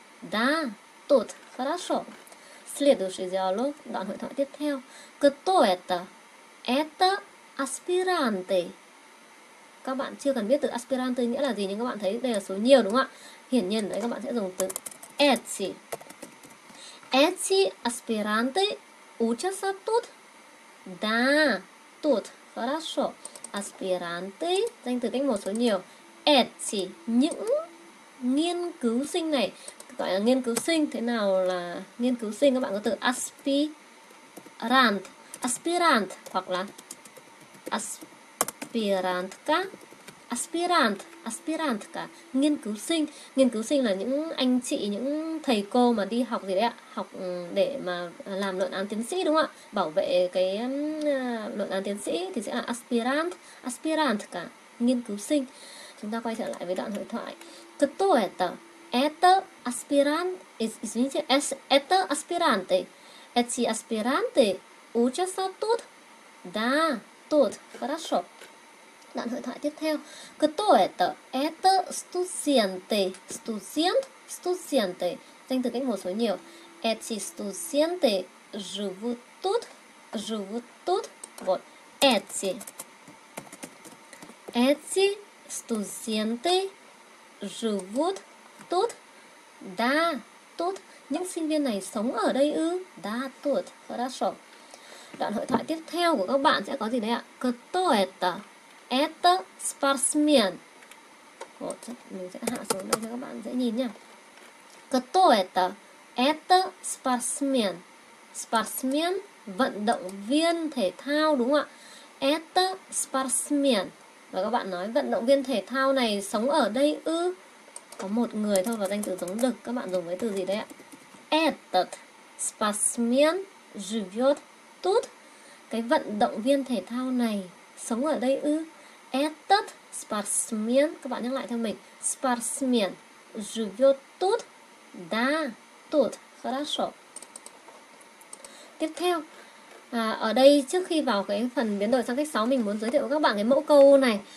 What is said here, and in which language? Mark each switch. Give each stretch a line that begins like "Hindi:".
Russian: Да, тут. Хорошо. Следующий диалог,
Vietnamese: đoạn hội thoại tiếp theo.
Russian: Кто это? Это аспиранты.
Vietnamese: Các bạn chưa cần biết từ аспиранты nghĩa là gì, nhưng các bạn thấy đây là số nhiều đúng không ạ? Hiển nhiên đấy, các bạn sẽ dùng từ эти.
Russian: Эти аспиранты учатся тут. Да, тут. Хорошо.
Vietnamese: Аспиранты, danh từ cách một số nhiều. Эти, những nghiên cứu sinh này. Gọi là nghiên cứu sinh, thế nào là nghiên cứu sinh? Các bạn có từ aspirant, aspirant hoặc là aspirantka, aspirant, aspirantka, nghiên cứu sinh. Nghiên cứu sinh là những anh chị, những thầy cô mà đi học gì đấy ạ, học để mà làm luận án tiến sĩ đúng không ạ, bảo vệ cái luận án tiến sĩ thì sẽ là aspirant, aspirantka, nghiên cứu sinh. Chúng ta quay trở lại với đoạn hội thoại.
Russian: Кто это? Это аспирант, извините, это аспиранты. Эти аспиранты учатся тут? Да, тут. Хорошо.
Vietnamese: Đoạn hội thoại tiếp theo.
Russian: Кто это? Это студенты. Студент, студенты.
Vietnamese: Danh từ cách một số nhiều.
Russian: Эти студенты живут тут? Живут тут? Вот. Эти. Эти студенты живут тут? Да, тут.
Vietnamese: Những sinh viên này sống ở đây ư?
Russian: Да, тут. Хорошо.
Vietnamese: Đoạn hội thoại tiếp theo của các bạn sẽ có gì đấy ạ?
Russian: Кто это? Это спортсмен.
Vietnamese: Mình sẽ hạ xuống đây cho các bạn dễ nhìn nhá.
Russian: Katoeta eta sportsmen.
Vietnamese: Sportsmen vận động viên thể thao đúng không ạ?
Russian: Eta sportsmen.
Vietnamese: Và các bạn nói vận động viên thể thao này sống ở đây ư? Có một người thôi và danh từ giống đực, các bạn dùng với từ gì đấy ạ?
Russian: Этот спортсмен живёт тут.
Vietnamese: Cái vận động viên thể thao này sống ở đây ư?
Russian: Этот спортсмен,
Vietnamese: các bạn nhắc lại theo mình,
Russian: спортсмен живёт тут. Да, тут. Хорошо.
Vietnamese: Tiếp theo. À, ở đây trước khi vào cái phần biến đổi sang cách 6, mình muốn giới thiệu với các bạn cái mẫu câu này.